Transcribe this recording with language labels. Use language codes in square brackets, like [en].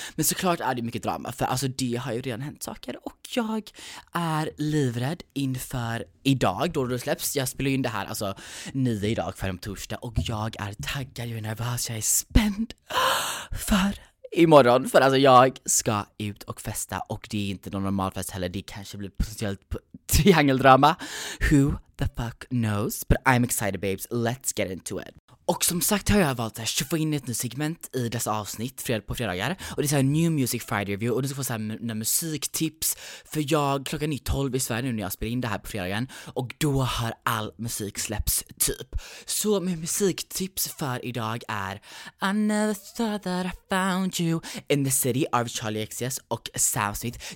[sv] Men såklart är det mycket drama, för alltså det har ju redan hänt saker. Och jag är livrädd inför idag då det släpps. Jag spelar in det här alltså 9 idag för en torsdag. Och jag är taggad, jag är nervös, jag är spänd för imorgon. För alltså jag ska ut och festa, och det är inte någon normal fest heller. Det kanske blir potentiellt triangeldrama. [en] Who the fuck knows. But I'm excited babes, let's get into it. [sv] Och som sagt har jag valt att få in ett nytt segment i dessa avsnitt på fredagar. Och det är så här New Music Friday Review. Och du ska få så här några musiktips. För jag, klockan är 12 i Sverige nu när jag spelar in det här på fredagen. Och då har all musik släpps typ. Så min musiktips för idag är I never thought that I found you in the city av Charlie XCX och Sam Smith.